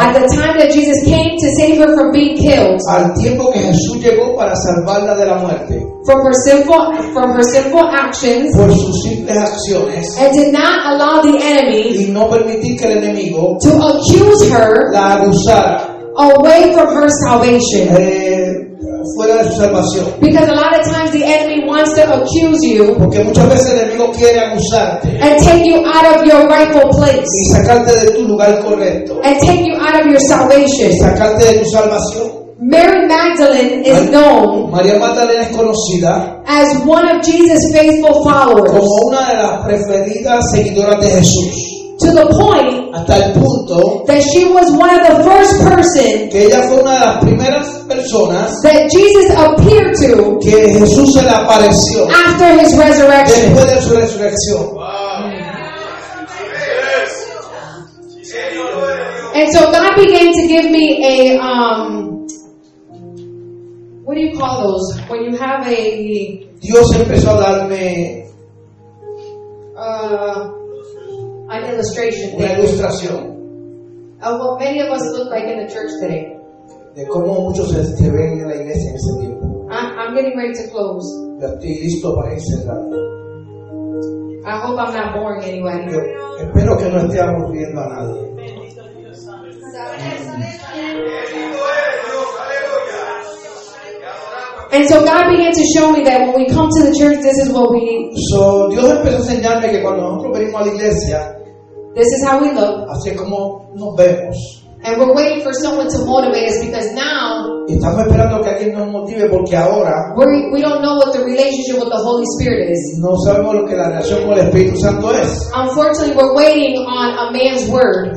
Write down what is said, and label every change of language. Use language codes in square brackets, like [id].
[en] at the time that Jesus came to save her from being killed, [es] al tiempo que Jesús llegó para salvarla de la muerte, [en] from her sinful actions, [es] por sus simples acciones, [en] and did not allow the enemy, [es] y no permitir que el enemigo, [en] to accuse her, [es] la acusara, [en] away from her salvation. [es] Fuera de su salvación. [en] Because a lot of times the enemy wants to accuse you, [es] porque muchas veces el enemigo quiere acusarte, [en] and take you out of your rightful place, [es] y sacarte de tu lugar correcto, [en] and take you out of your salvation, [es] y sacarte de tu salvación. [en] Mary Magdalene is known, [es] María Magdalena es conocida, [en] as one of Jesus' faithful followers, [es] como una de las preferidas seguidoras de Jesús, [en] to the point, [es] hasta el punto, [en] that she was one of the first person, [es] que ella fue una de las primeras personas, [en] that Jesus appeared to, [es] que Jesús se le apareció, [en] after his resurrection, [es] después de su resurrección. Wow. [en] And so God began to give me a what do you call those when you have a, [es] Dios empezó a darme [en] an illustration. [es] Una ilustración. [en] Of what many of us look like in the church today. [es] De cómo muchos se ven en la iglesia en ese tiempo. [en] I'm getting ready to close. [es] Yo estoy listo para ir cerrando. [en] I hope I'm not boring anybody. [es] Yo espero que no esté aburriendo a nadie. [en] And so God began to show me that when we come to the church, this is what we need. [es] So Dios empezó a enseñarme que cuando nosotros venimos a la iglesia, [en] this is how we look. [es] Así es como nos vemos. [en] And we're waiting for someone to motivate us because now, [es] estamos esperando que alguien nos motive porque ahora, [en] we don't know what the relationship with the Holy Spirit is. [es] No sabemos lo que la relación con el Espíritu Santo es. [en] Unfortunately, we're waiting on a man's word.